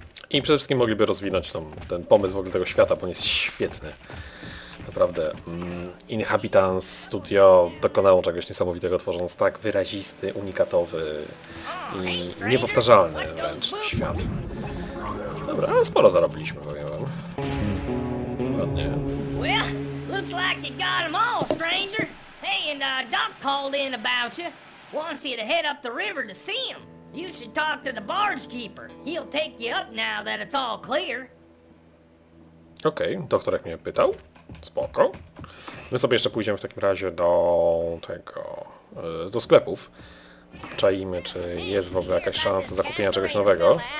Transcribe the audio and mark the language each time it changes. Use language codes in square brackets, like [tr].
[pl] I przede wszystkim mogliby rozwinąć ten pomysł w ogóle tego świata, bo on jest świetny. Naprawdę, Inhabitants Studio dokonało czegoś niesamowitego, tworząc tak wyrazisty, unikatowy i niepowtarzalny wręcz świat. Dobra, ale sporo zarobiliśmy, powiem wam. Ładnie. [en] Well, looks like you got them all, stranger. Hey, and Doc called in about you. Wants you to head up the river to see him. You should talk to the barge keeper. He'll take you up now that it's all clear. [pl] Okej, doktor jak mnie pytał. Spoko. My sobie jeszcze pójdziemy w takim razie do tego... do sklepów. Czajmy, czy jest w ogóle jakaś szansa zakupienia czegoś nowego.